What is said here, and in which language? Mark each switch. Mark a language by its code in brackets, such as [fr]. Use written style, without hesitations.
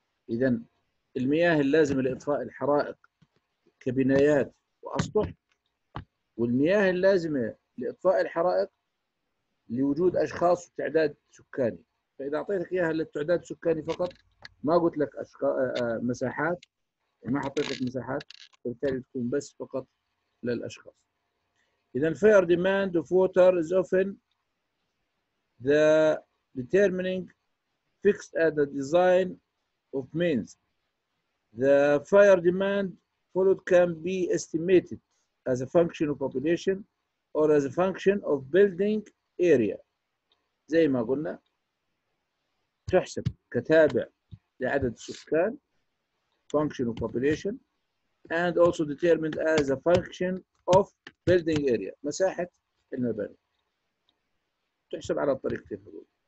[ar] اذا المياه اللازمه لاطفاء الحرائق كبنايات واسطح، والمياه اللازمه لاطفاء الحرائق لوجود اشخاص وتعداد سكاني. فاذا اعطيتك اياها للتعداد السكاني فقط، ما قلت لك مساحات، ما حطيت لك مساحات، وبالتالي تكون بس فقط للاشخاص. [en] اذا fire demand of water is often the determining fixed at the design of mains. The fire demand followed can be estimated as a function of population or as a function of building area. [ar] زي ما قلنا تحسب كتابع لعدد السكان [en] function of population and also determined as a function of building area، [ar] مساحة المباني، تحسب على الطريقتين هذول.